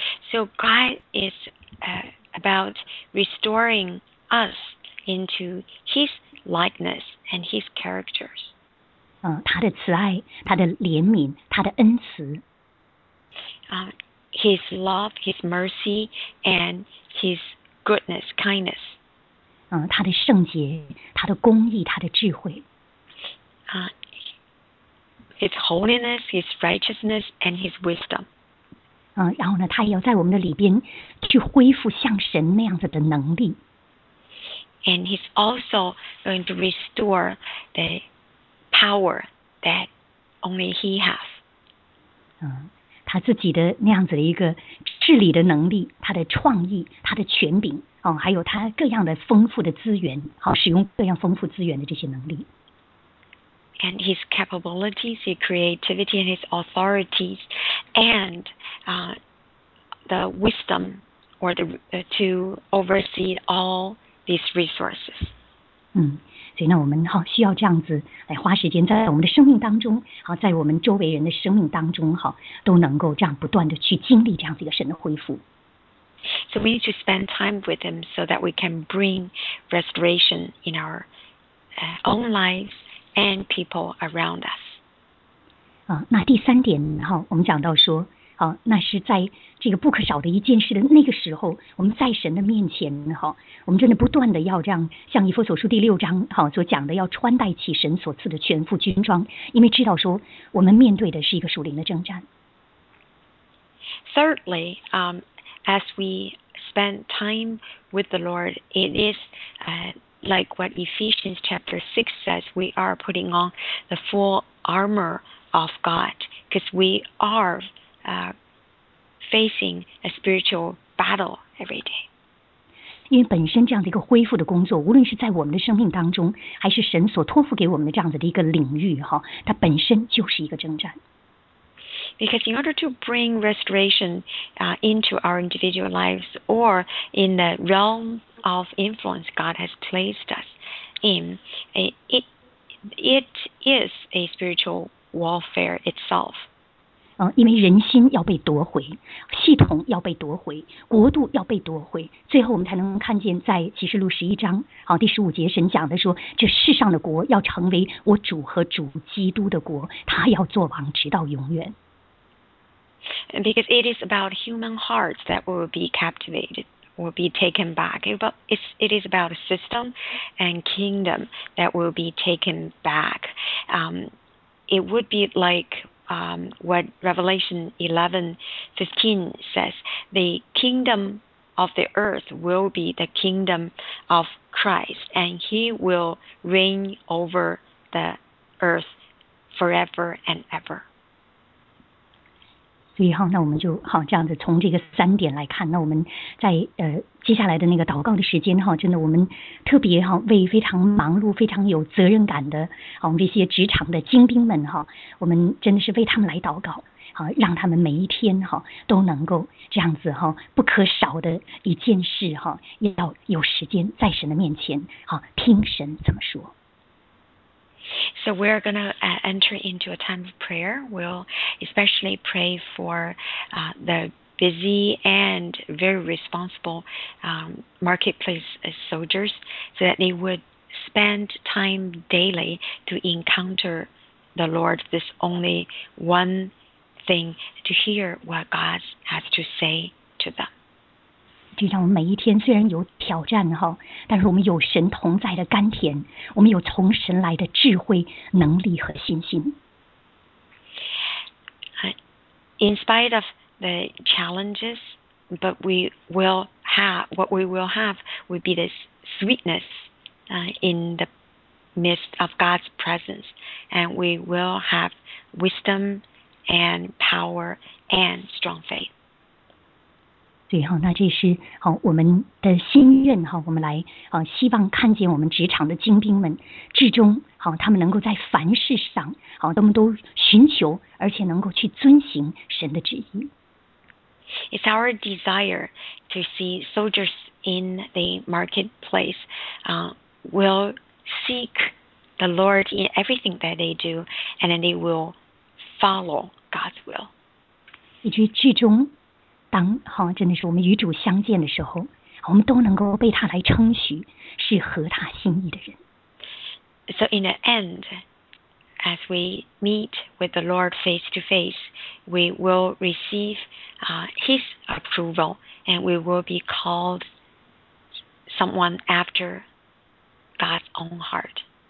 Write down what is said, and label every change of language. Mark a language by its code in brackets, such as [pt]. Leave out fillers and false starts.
[en] So God is about restoring us into His likeness and His characters. [zh] 他的慈爱，他的怜悯，他的恩慈。 [en] His love, His mercy, and His goodness, kindness. [zh] 他的圣洁，他的公义，他的智慧。 [en] His holiness, His righteousness, and His wisdom. [zh] 然后呢，他也要在我们的里边去恢复像神那样子的能力。 [en] And He's also going to restore the power that only He has. [zh] 他自己的那样子的一个治理的能力，他的创意，他的权柄，还有他各样的丰富的资源，使用各样丰富资源的这些能力。 [en] And His capabilities, His creativity, and His authorities, and the wisdom or the to oversee all these resources. [zh] 所以呢，我们需要这样子来花时间，在我们的生命当中，在我们周围人的生命当中，都能够这样不断的去经历这样子一个神的恢复。 [en] So we need to spend time with Him so that we can bring restoration in our own lives and people around us. [zh] 那第三点我们讲到说，那是在这个不可少的一件事的那个时候，我们在神的面前我们真的不断的要这样，像以弗所书第六章所讲的，要穿戴起神所赐的全副军装，因为知道说我们面对的是一个属灵的征战。 [en] Thirdly, as we spend time with the Lord, it is like what Ephesians chapter 6 says, we are putting on the full armor of God, because we are facing a spiritual battle every day. [zh] 因为本身这样的一个恢复的工作，无论是在我们的生命当中，还是神所托付给我们的这样子的一个领域，它本身就是一个征战。 [en] Because in order to bring restoration into our individual lives or in the realm of influence God has placed us in, it is a spiritual warfare itself. [zh] 因为人心要被夺回，系统要被夺回，国度要被夺回，最后我们才能看见在启示录十一章第十五节，神讲的说，这世上的国要成为我主和主基督的国，他要做王直到永远。 [en] Because it is about human hearts that will be captivated, will be taken back. It is about a system and kingdom that will be taken back. It would be like what Revelation 11:15 says, the kingdom of the earth will be the kingdom of Christ, and He will reign over the earth forever and ever. [zh] 所以哈，那我们就好这样子从这个三点来看，那我们在接下来的那个祷告的时间哈，真的我们特别哈为非常忙碌、非常有责任感的我们这些职场的精兵们哈，我们真的是为他们来祷告，好让他们每一天哈都能够这样子哈，不可少的一件事哈，要有时间在神的面前哈听神怎么说。 [en] So we're going to enter into a time of prayer. We'll especially pray for the busy and very responsible marketplace soldiers so that they would spend time daily to encounter the Lord. There's only one thing to hear what God has to say to them. [zh] 就像我们每一天虽然有挑战哈，但是我们有神同在的甘甜，我们有从神来的智慧、能力和信心。 [en] In spite of the challenges, but we will have what we will have would be this sweetness in the midst of God's presence, and we will have wisdom and power and strong faith. [zh] 对哈，那这是好我们的心愿哈，我们来啊，希望看见我们职场的精兵们，至终好他们能够在凡事上好，他们都寻求，而且能够去遵行神的旨意。 [en] It's our desire to see soldiers in the marketplace, will seek the Lord in everything that they do, and then they will follow God's will. [zh] 以至于至终。当好，真的是我们与主相见的时候，我们都能够被他来称许，是合他心意的人。 [en] So in the end, as we meet with the Lord face to face, we will receive His approval, and we will be called someone after God's own heart.